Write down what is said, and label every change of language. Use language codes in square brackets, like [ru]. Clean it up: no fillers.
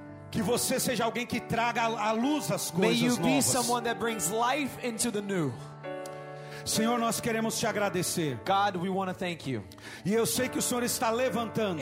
[pt] Que você seja alguém que traga à luz as coisas novas. [en] May you be someone that brings life into the new. [pt] Senhor, nós queremos te agradecer. [en] God, we want to thank you. [pt] E eu sei que o Senhor está levantando.